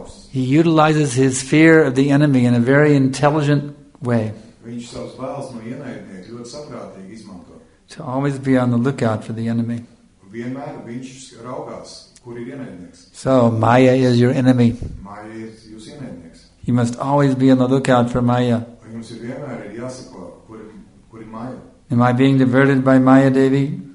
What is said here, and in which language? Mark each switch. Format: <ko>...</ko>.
<en>He utilizes his fear of the enemy in a very intelligent way.</en> <lv>Viņš savus bailes no ienaidnieka ļoti saprātīgi izmanto.</lv> <en>To always be on the lookout for the enemy.</en> <lv>Vienmēr viņš raugās, kur ir ienaidnieks.</lv> <en>So, Maya is your enemy.</en> <lv>Maya ir jūs ienaidnieks.</lv> <en>You must always be on the lookout for Maya.</en> <lv>Jums ir vienmēr jāsako, kur ir Maya.</lv> <en>Am I being diverted by Maya, Devi?</en>